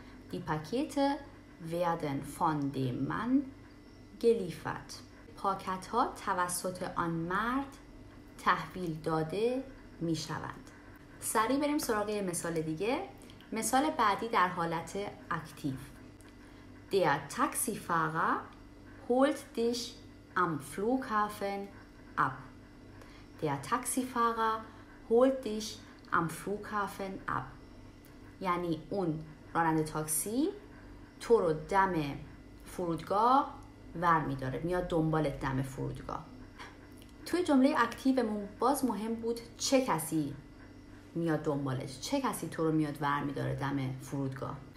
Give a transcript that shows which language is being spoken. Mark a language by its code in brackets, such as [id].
[de] دی پاکت ویادن فان دیم من گلیفت. [fa] پاکت ها توسط آن مرد تحویل داده می شوند. سریع بریم سراغ یه مثال دیگه. مثال بعدی در حالت اکتیو. [de] Der Taxifahrer holt dich am Flughafen ab. Der Taxifahrer holt dich am Flughafen ab. [fa] یعنی اون راننده تاکسی تو رو دم فرودگاه ور می داره، میاد دنبالت دم فرودگاه. توی جمله اکتیومون باز مهم بود چه کسی میاد دنبالش، چه کسی تو رو میاد ور میداره دم فرودگاه.